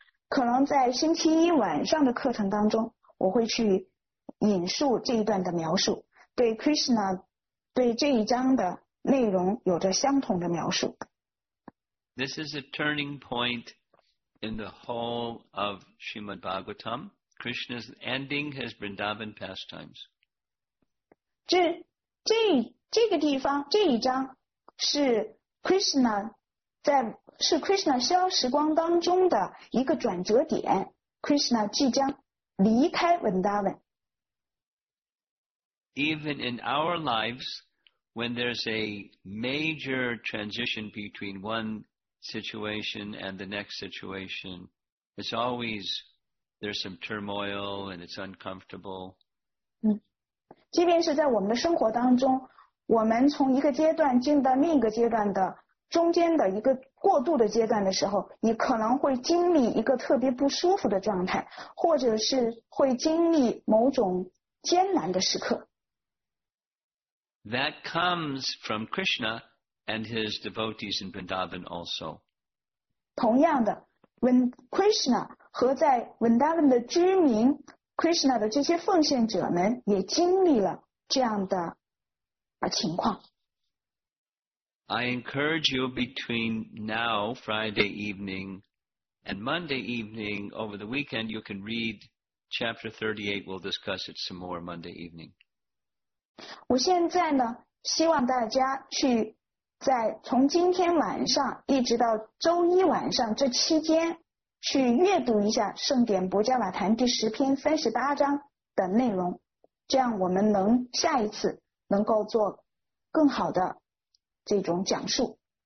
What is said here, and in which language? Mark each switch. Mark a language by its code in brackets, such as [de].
[zh] 可能在星期一晚上的课程当中我会去引述这一段的描述对 Krishna 对这一章的内容有着相同的描述。 [en] This is a turning point in the whole of Srimad Bhagavatam. Krishna's ending his Vrindavan pastimes. [zh] 这个地方这一章是 Krishna 在是 Krishna 消时光当中的一个转折点 Krishna 即将离开 Vrindavan [en] Even in our lives when there's a major transition between one situation and the next situation it's always there's some turmoil and it's uncomfortable [zh] 即便是在我们的生活当中我们从一个阶段进到另一个阶段的中间的一个过渡的阶段的时候你可能会经历一个特别不舒服的状态或者是会经历某种艰难的时刻 [en] That comes from Krishna and his devotees in Vrindavan also [zh] 同样的 when Krishna 和在 Vrindavan 的居民Krishna 的这些奉献者们也经历了这样的情况。 [en] I encourage you between now, Friday evening, and Monday evening, over the weekend, you can read Chapter 38, we'll discuss it some more Monday evening. [zh] 我现在呢，希望大家去在从今天晚上一直到周一晚上这期间去阅读一下圣典伯加瓦坛第十篇三十八章的内容，这样我们能下一次能够做更好的这种讲述。